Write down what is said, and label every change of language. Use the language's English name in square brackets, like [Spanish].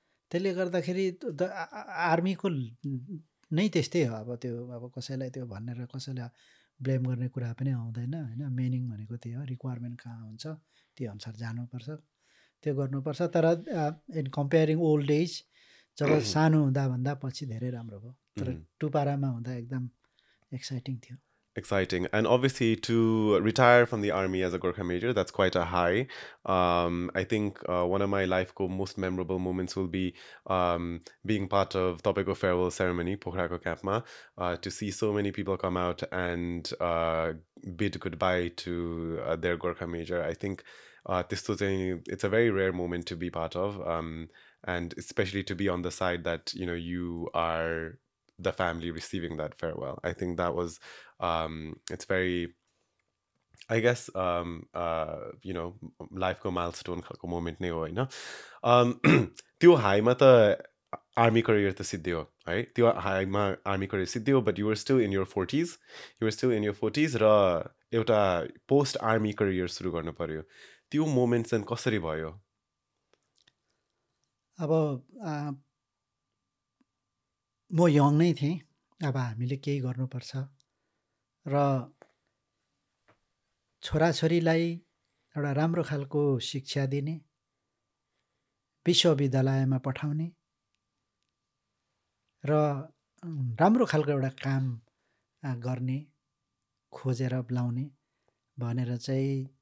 [Nepali] त्यसले गर्दाखेरि त आर्मीको नै त्यस्तै हो. अब त्यो अब कसैलाई त्यो भनेर कसैलाई ब्लेम गर्ने कुरा पनि आउँदैन होइन. मेनिङ भनेको त्यही हो, रिक्वायरमेन्ट कहाँ हुन्छ त्यो अनुसार जानुपर्छ, त्यो गर्नुपर्छ. तर [English] in comparing old age, [Nepali] जब सानो हुँदा भन्दा पछि धेरै राम्रो भयो. तर टुपारामा हुँदा एकदम एक्साइटिङ थियो. [English] Exciting. And obviously to retire from the army as a Gorkha major, that's quite a high. I think one of my life [Nepali] ko [English] most memorable moments will be being part of Topeko farewell ceremony Pokhara ko camp ma, to see so many people come out and bid goodbye to their Gorkha major. I think [Nepali] tisto chai, [English] it's a very rare moment to be part of, and especially to be on the side that, you know, you are the family receiving that farewell. I think that was it's very, I guess, you know, life ko milestone khalko moment [Nepali] nai ho haina. Tyo high ma ta army career ta siddhi ho, [English] right? [Nepali] Tyo [English] high ma army career [Nepali] siddhi ho, [English] but you were still in your 40s. You were still in your 40s [Nepali] ra euta post army career suru garnu paryo. Tyo moment chan kasari bhayo? Aba म young नै थिएँ, अब हामीले केही गर्नुपर्छ र छोराछोरीलाई एउटा राम्रो खालको शिक्षा दिने, विश्वविद्यालयमा पठाउने र राम्रो खालको एउटा काम गर्ने खोजेर लाउने भनेर चाहिँ